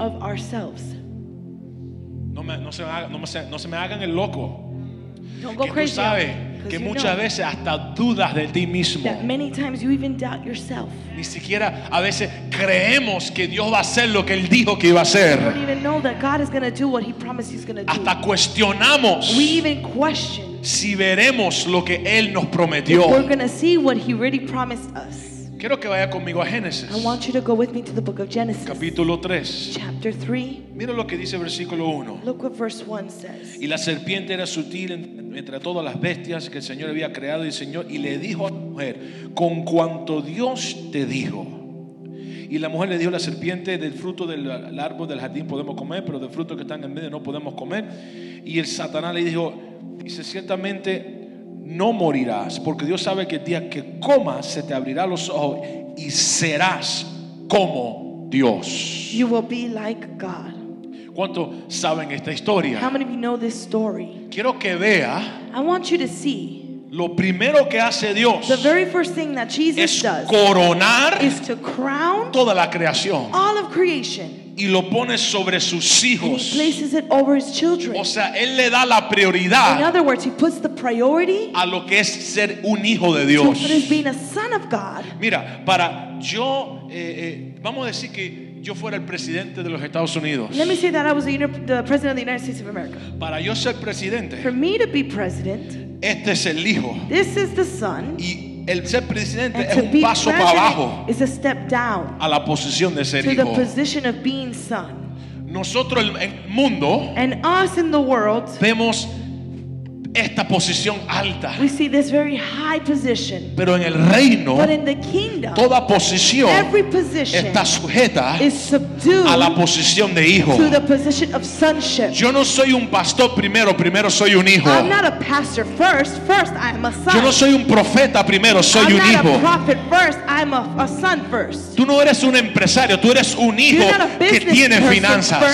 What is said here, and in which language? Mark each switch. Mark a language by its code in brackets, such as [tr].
[en] Of ourselves. [es] No se me hagan el loco. [en] Don't go crazy. [es] Tú sabes que muchas veces hasta dudas de ti mismo. [en] That many times you even doubt yourself. [es] Ni siquiera a veces creemos que Dios va a hacer lo que Él dijo que iba a hacer. [en] We don't even know that God is going to do what He promised He's going to do. [es] Hasta cuestionamos. [en] We even question. [es] Si veremos lo que Él nos prometió. [en] We're going to see what He really promised us. [es] Quiero que vaya conmigo a Génesis. [en] I want you to go with me to the book of Genesis. [es] Capítulo 3. [en] Chapter 3. [es] Mira lo que dice versículo 1. [en] Look what verse 1 says. [es] Y la serpiente era sutil entre todas las bestias que el Señor había creado, y el Señor y le dijo a la mujer, con cuanto Dios te dijo. Y la mujer le dijo a la serpiente, del fruto del árbol del jardín podemos comer, pero del fruto que está en el medio no podemos comer. Y el Satanás le dijo, dice, ciertamente no morirás, porque Dios sabe que el día que comas se te abrirá los ojos y serás como Dios. [en] You will be like God. [es] ¿Cuántos saben esta historia? [en] How many of you know this story? [es] Quiero que vea. [en] I want you to see. [es] Lo primero que hace Dios. [en] The very first thing that Jesus does. [es] Es coronar. [en] Is to crown. [es] Toda la creación. [en] All of creation. [es] Y lo pone sobre sus hijos. [en] He places it over his children. [es] O sea, Él le da la prioridad. [en] In other words, he puts the priority. [es] A lo que es ser un hijo de Dios. [en] To what is being a son of God. [es] Mira, para yo, vamos a decir que yo fuera el presidente de los Estados Unidos. [en] Let me say that I was the president of the United States of America. [es] Para yo ser presidente. [en] For me to be president. [es] Este es el hijo. [en] This is the son. [es] Y el ser presidente es un paso para abajo. [en] Is a step down. [es] A la posición de ser [en] to [es] hijo. [en] To the position of being son. [es] Nosotros en el mundo. [en] And us in the world. [es] Vemos esta posición alta. [en] We see this very high position. [es] Pero en el reino, [en] but in the kingdom, [es] toda posición, [en] every position, [es] está sujeta, [en] is subdued, [es] a la posición de hijo, [en] to the position of sonship. [es] Yo no soy un pastor primero soy un hijo. [en] I'm not a pastor first I'm a son. [es] Yo no soy un profeta primero soy [en] I'm [es] un [en] not [es] hijo. [en] A prophet first I'm a son first. [es] Tú no eres un empresario, tú eres un hijo que tiene finanzas.